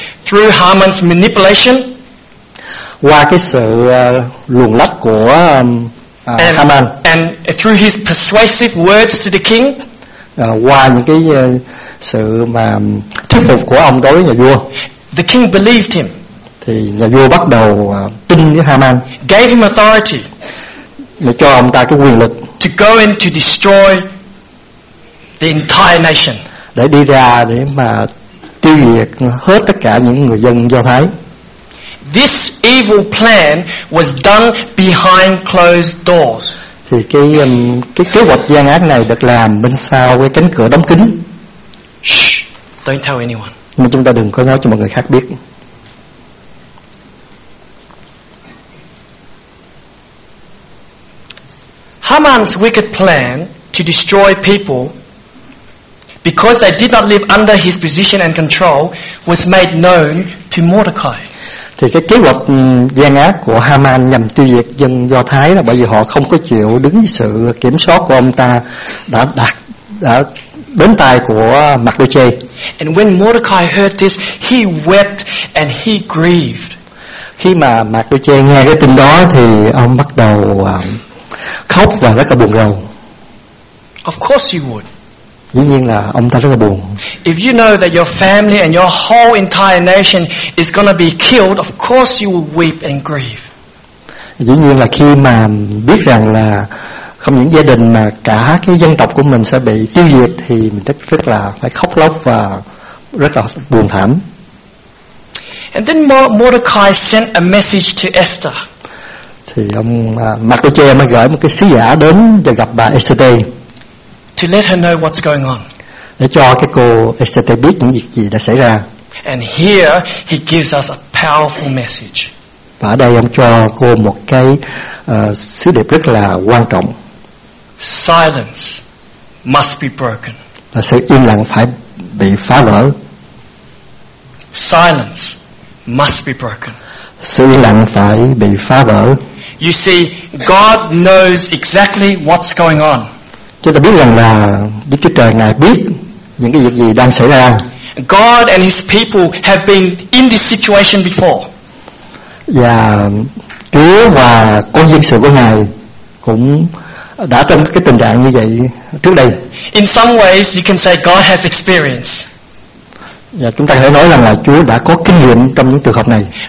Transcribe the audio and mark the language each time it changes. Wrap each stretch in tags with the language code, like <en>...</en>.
<en>through Haman's manipulation,</en> <vi>qua cái sự luồng lách của Haman,</vi> <en>and through his persuasive words to the king,</en> <vi>qua những cái sự mà thuyết phục của ông đối với nhà vua,</vi> <en>the king believed him.</en> <vi>Thì nhà vua bắt đầu tin với Haman,</vi> <en>gave him authority,</en> <vi>để cho ông ta cái quyền lực</vi> <en>to go in to destroy the entire nation,</en> <vi>để đi ra để mà tiêu diệt hết tất cả những người dân Do Thái.</vi> <en>This evil plan was done behind closed doors.</en> <vi>Thì cái kế hoạch gian ác này được làm bên sau cái cánh cửa đóng kín.</vi> <en>Shh, don't tell anyone.</en> <vi>Nhưng chúng ta đừng có nói cho mọi người khác biết.</vi> <en>Haman's wicked plan to destroy people because they did not live under his position and control was made known to Mordecai.</en> <vi>Thì cái kế hoạch gian ác của Haman nhằm tiêu diệt dân Do Thái là bởi vì họ không có chịu đứng dưới sự kiểm soát của ông ta đã đến tai của Mordecai.</vi> <en>And when Mordecai heard this, he wept and he grieved.</en> <vi>Khi mà Mordecai nghe cái tin đó thì ông bắt đầu khóc và rất là buồn rầu.</vi> <en>Of course you would.</en> <vi>Dĩ nhiên là ông ta rất là buồn.</vi> <en>If you know that your family and your whole entire nation is going to be killed, of course you will weep and grieve.</en> <vi>Dĩ nhiên là khi mà biết rằng là không những gia đình mà cả cái dân tộc của mình sẽ bị tiêu diệt thì mình rất là phải khóc lóc và rất là buồn thảm.</vi> <en>And then Mordecai sent a message to Esther.</en> <vi>Thì ông Mordecai mới gửi một cái sứ giả đến để gặp bà Esther.</vi> <en>To let her know what's going on.</en> <vi>Để cho cái cô Esther biết những việc gì đã xảy ra.</vi> <en>And here he gives us a powerful message.</en> <vi>Và ở đây ông cho cô một cái sứ điệp rất là quan trọng.</vi> <en>Silence must be broken.</en> <vi>Là sự im lặng phải bị phá vỡ.</vi> <en>Silence must be broken.</en> <vi>Sự im lặng phải bị phá vỡ.</vi> <en>You see, God knows exactly what's going on.</en> <vi>Chúng ta biết rằng là Đức Chúa Trời Ngài biết những cái việc gì đang xảy ra.</vi> <en>God and His people have been in this situation before.</en> <vi>Và Chúa và con dân sự của Ngài cũng đã trong cái tình trạng như vậy trước đây.</vi> <en>In some ways, you can say God has experience.</en> <vi>Và chúng ta có thể nói rằng là Chúa đã có kinh nghiệm trong những trường hợp này.</vi>